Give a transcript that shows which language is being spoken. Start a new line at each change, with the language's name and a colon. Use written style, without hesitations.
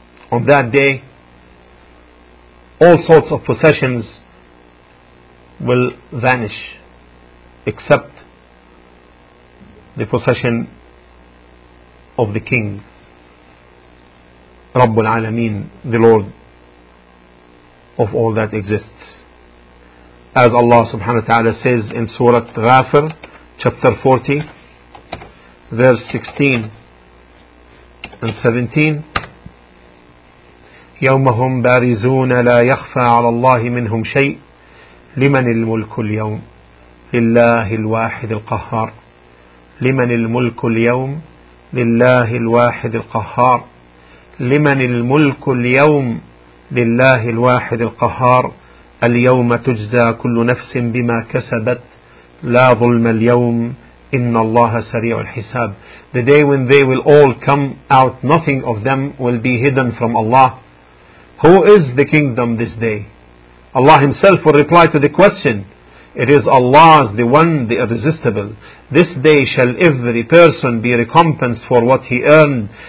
English: On that day, all sorts of possessions will vanish except the possession of the King, Rabbul Alameen, the Lord of all that exists. As Allah subhanahu wa ta'ala says in Surah Ghafir, chapter 40, verse 16 and 17,
Arabic: يومهم بارزون لا يخفى على الله منهم شيء لمن الملك اليوم لله الواحد القهار لمن الملك اليوم لله الواحد القهار لمن الملك اليوم لله الواحد القهار اليوم تجزى كل نفس بما كسبت لا ظلم اليوم إن الله سريع الحساب.
English: The day when they will all come out, nothing of them will be hidden from Allah. Who is the kingdom this day? Allah himself will reply to the question. It is Allah's, the one, the irresistible. This day shall every person be recompensed for what he earned.